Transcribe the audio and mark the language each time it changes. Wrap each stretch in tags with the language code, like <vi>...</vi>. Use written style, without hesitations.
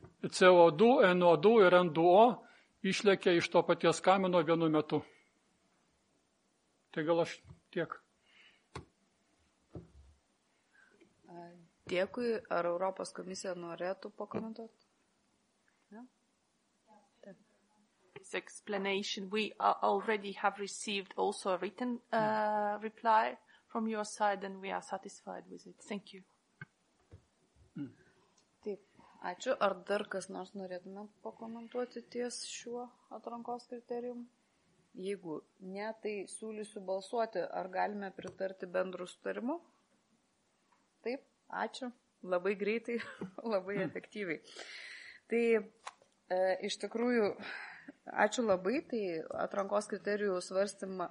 <lt>CO2, NO2 ir N2O išlėkia iš to paties kamino vienu metu. Tai gal aš tiek. Dėkui, ar Europos komisija norėtų pakomentuoti?</lt> <en>Explanation. We already have received also a written reply from your side and we are satisfied with it. Thank you.</en> <lt>Taip, ačiū. Ar dar kas nors norėtume pakomentuoti ties šiuo atrankos kriterijum? Jeigu ne, tai siūlysiu balsuoti, ar galime pritarti bendrų sutarimų? Taip, ačiū. Labai greitai, labai efektyviai. Tai iš tikrųjų, ačiū labai, tai atrankos kriterijų svarstymą.</lt>